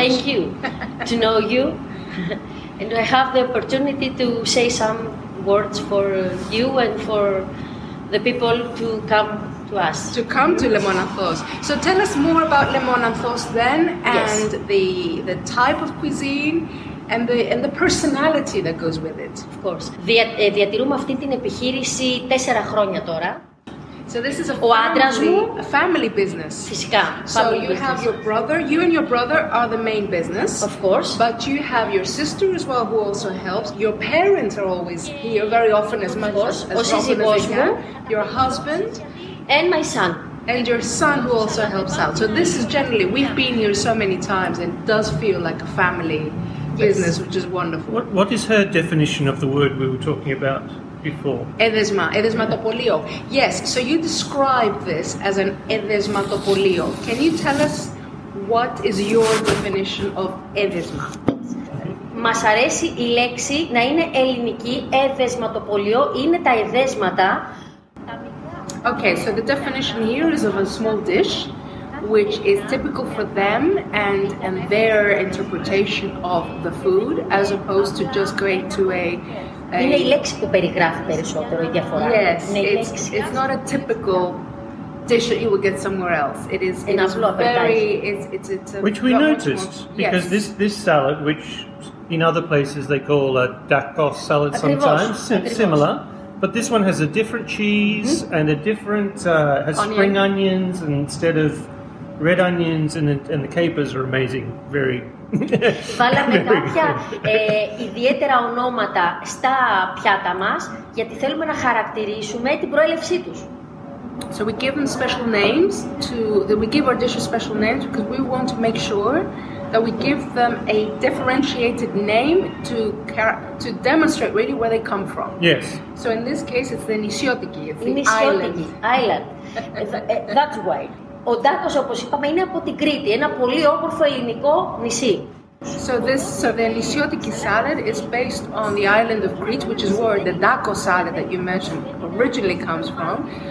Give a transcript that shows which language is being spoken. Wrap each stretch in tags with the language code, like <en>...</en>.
<en>Thank you to know you, and I have the opportunity to say some words for you and for the people to come to Lemonanthos. So tell us more about Lemonanthos then, and yes, the type of cuisine and the personality that goes with it.</en> <el>Of course. Διατηρούμε αυτή την επιχείρηση 4 χρόνια τώρα.</el> <en>So this is a family business.</en> <el>Φυσικά, family</el> <en>so you business. Have your brother, you and your brother are the main business. Of course. But you have your sister as well who also helps. Your parents are always here very often as much as they can. Your husband. And my son. And your son who also helps out. So this is generally, we've been here so many times and it does feel like a family business, which is wonderful. What is her definition of the word we were talking about before?</en> <el>Edesma, edesmatopolio.</el> <en>Yes, so you describe this as an edesmatopolio. Can you tell us what is your definition of edesma?</en> <el>Μας αρέσει η λέξη να είναι ελληνική, εδεσματοπολείο, είναι τα εδέσματα.</el> <en>Okay, so the definition here is of a small dish, which is typical for them and their interpretation of the food, as opposed to just going to a...</en> <el>Είναι η λέξη που περιγράφει περισσότερο η διαφορά.</el> <en>Yes, it's not a typical dish that you would get somewhere else. It is very... Which we noticed, because this salad, which in other places they call a dakos salad sometimes, similar... But this one has a different cheese and a different spring onions and instead of red onions and the capers are amazing. Very.</en> <el>Βάλαμε κάποια ιδιαίτερα ονόματα στα πιάτα μας γιατί θέλουμε να χαρακτηρίσουμε την προέλευσή τους.</el> <en>So we give them special names to. We give our dishes special names because we want to make sure that we give them a differentiated name to demonstrate really where they come from. Yes. So in this case, it's the Nisiotiki. It's the Nisiotiki island. That's why.</en> <el>Ο Ντάκος, όπως είπαμε, είναι από την Κρήτη, ένα πολύ όμορφο ελληνικό νησί.</el> <en>So the Nisiotiki salad is based on the island of Crete, which is where the Dako salad that you mentioned originally comes from.</en>